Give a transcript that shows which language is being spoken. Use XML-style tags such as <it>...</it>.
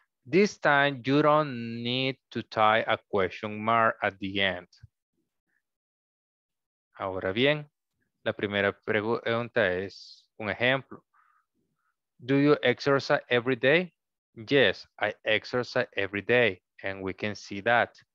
<en>This time, you don't need to tie a question mark at the end.</en> <es>Ahora bien, la primera pregunta es un ejemplo.</es> <en>Do you exercise every day? Yes, I exercise every day, and we can see that.</en>